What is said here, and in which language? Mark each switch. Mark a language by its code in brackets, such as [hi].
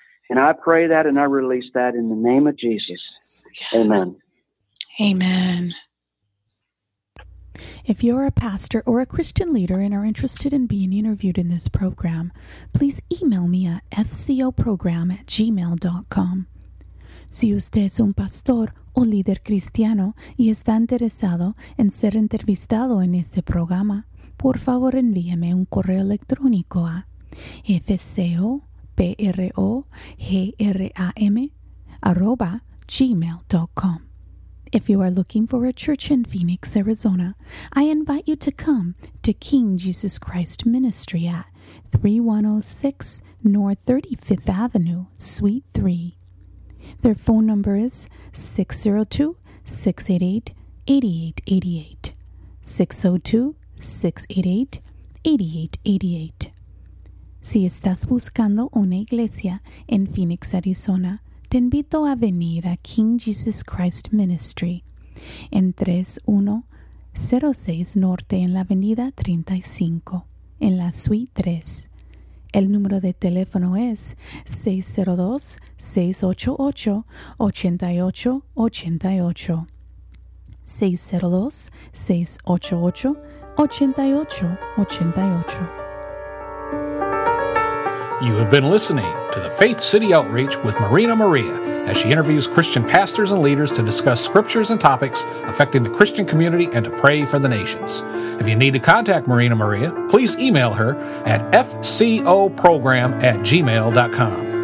[en] And I pray that and I release that in the name of Jesus. Yes. Amen. Amen. If you're a pastor or a Christian leader and are interested in being interviewed in this program, please email me at fcoprogram@gmail.com. [es] Si usted es un pastor o líder cristiano y está interesado en ser entrevistado en este programa, por favor envíeme un correo electrónico a fcoprogram@gmail.com. [en] If you are looking for a church in Phoenix, Arizona, I invite you to come to King Jesus Christ Ministry at 3106 North 35th Avenue, Suite 3. Their phone number is 602-688-8888, 602-688-8888. [es] Si estás buscando una iglesia en Phoenix, Arizona, te invito a venir a King Jesus Christ Ministry en 3106 Norte en la Avenida 35, en la Suite 3. El número de teléfono es 602-688-8888, 602-688-8888. [en] You have been listening to the Faith City Outreach with Marina Maria as she interviews Christian pastors and leaders to discuss scriptures and topics affecting the Christian community and to pray for the nations. If you need to contact Marina Maria, please email her at fcoprogram@gmail.com.